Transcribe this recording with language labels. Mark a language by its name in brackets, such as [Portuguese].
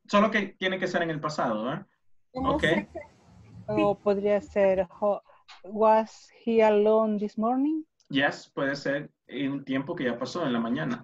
[Spanish] Solo que tiene que ser en el pasado, ¿eh? Okay. O podría ser, [English] was he alone this morning? [Spanish] Yes, puede ser en un tiempo que ya pasó en la mañana.